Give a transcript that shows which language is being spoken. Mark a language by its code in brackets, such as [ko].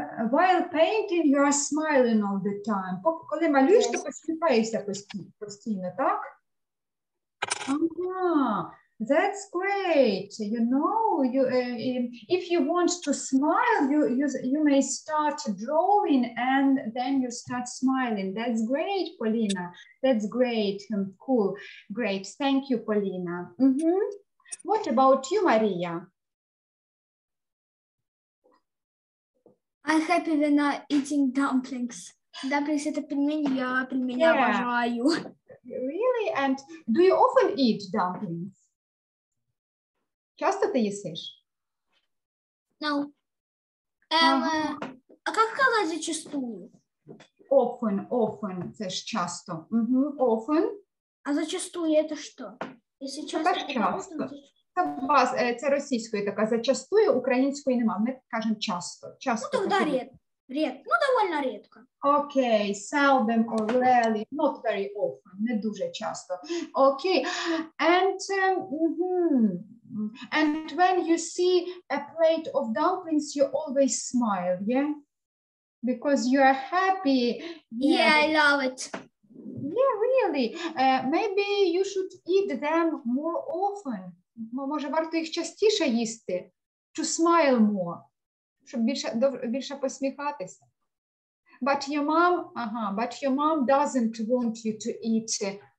[en] While painting, you are smiling all the time. [uk] Коли малюєш, то посміхаєшся постійно, так? [en] That's great. You know, if you want to smile, you may start drawing and then you start smiling. That's great, Polina. That's great. Cool. Great. Thank you, Polina. Mm-hmm. What about you, Maria? I'm happy when I'm eating dumplings. Dumplings – [ru] это пельмени, я пельмени обожаю. [en] Really? And do you often eat dumplings? [uk] Часто ти їсиш? No. А як сказати зачастую? [en] Often, [uk] це ж часто. Mm-hmm. Often. [ru] А зачастую – это что? Если часто, то часто. [uk] Це російською така, зачастую, українською немає. Ми кажемо часто. Ну, тоді рідко. Рідко, ну [ru] довольно [uk] рідко. [en] Окей, seldom or rarely, not very often, [uk] не дуже часто. [en] Окей, and when you see a plate of dumplings, you always smile, yeah? Because you are happy. Yeah, I love it. Yeah, really. Maybe you should eat them more often. [uk] Може варто їх частіше їсти? [en] To smile more. [uk] Щоб більше посміхатися. [en] But your mom doesn't want you to eat.